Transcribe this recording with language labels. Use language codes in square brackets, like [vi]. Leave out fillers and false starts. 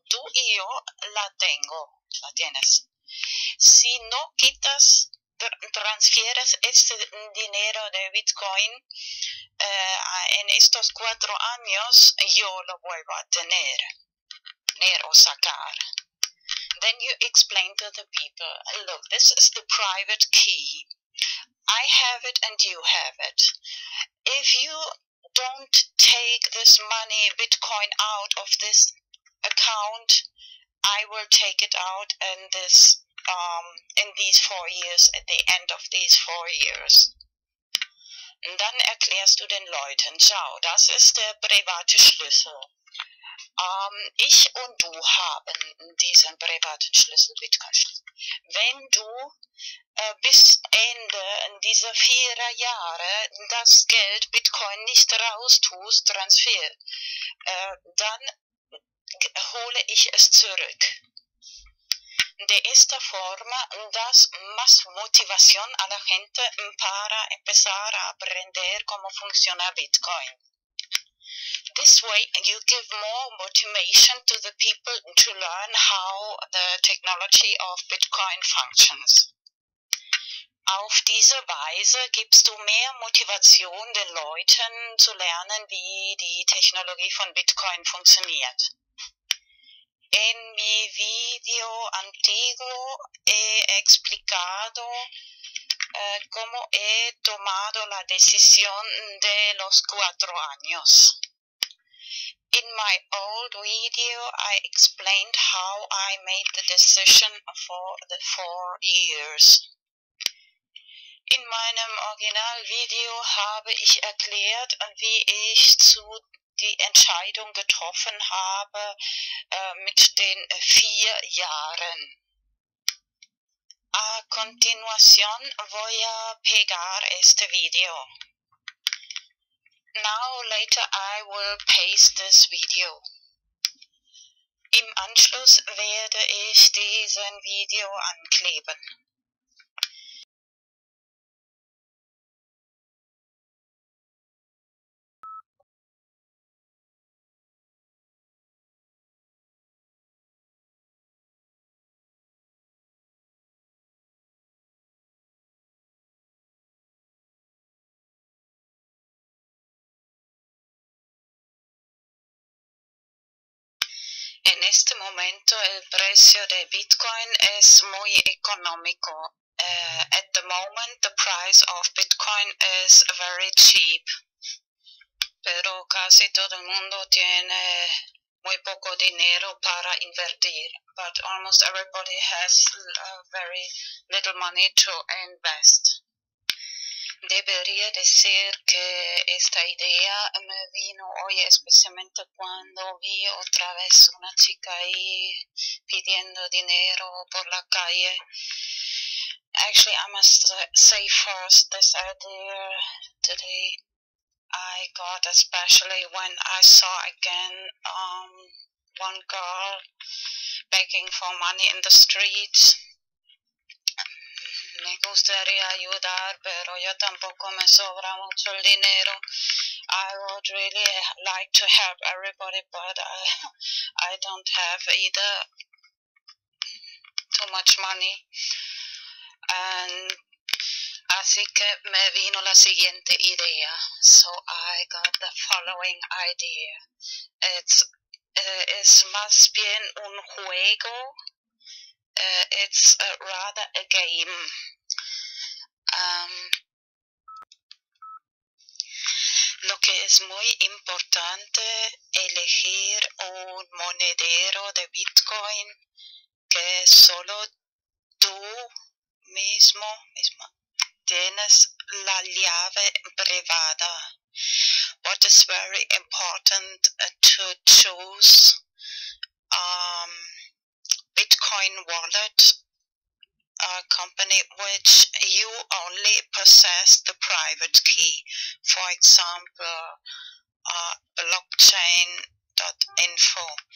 [es] Tú y yo la tengo, la tienes. Si no quitas, transfieres este dinero de Bitcoin en estos 4 años, yo lo vuelvo a tener o sacar. [en] Then you explain to the people, look, this is the private key. I have it and you have it. If you don't take this money, Bitcoin, out of this account, I will take it out in this, in these 4 years, at the end of these 4 years. [de] Und dann erklärst du den Leuten, schau, das ist der private Schlüssel. Ich und du haben diesen privaten Schlüssel, Bitcoin-Schlüssel. Wenn du bis Ende dieser 4 Jahre das Geld Bitcoin nicht raus tust, Transfer, dann hole ich es zurück. [es] De esta forma das más motivación a la gente para empezar a aprender cómo funciona Bitcoin. [en] This way, you give more motivation to the people to learn how the technology of Bitcoin functions. [de] Auf diese Weise gibst du mehr Motivation den Leuten zu lernen, wie die Technologie von Bitcoin funktioniert. [es] En mi video antiguo he explicado cómo he tomado la decisión de los 4 años. [en] In my old video, I explained how I made the decision for the 4 years. [de] In meinem Originalvideo habe ich erklärt, wie ich zu die Entscheidung getroffen habe mit den 4 Jahren. [es] A continuación voy a pegar este video. [en] Now later I will paste this video. [de] Im Anschluss werde ich diesen Video ankleben. [es] En este momento el precio de Bitcoin es muy económico. [en] At the moment the price of Bitcoin is very cheap. [es] Pero casi todo el mundo tiene muy poco dinero para invertir. [en] But almost everybody has very little money to invest. [es] Debería decir que esta idea me vino hoy especialmente cuando vi otra vez una chica ahí pidiendo dinero por la calle. [en] Actually, I must say first this idea today I got, especially when I saw again one girl begging for money in the streets. [es] Me gustaría ayudar, pero yo tampoco me sobra mucho el dinero. [en] I would really like to help everybody, but I don't have either too much money. [es] And así que me vino la siguiente idea. [en] So I got the following idea. It's [es] más bien un juego. [en] It's rather a game. [es] Lo que es muy importante elegir un monedero de Bitcoin que solo tú mismo tienes la llave privada. [en] What is very important to choose Bitcoin wallet, a company which you only possess the private key, for example, blockchain.info.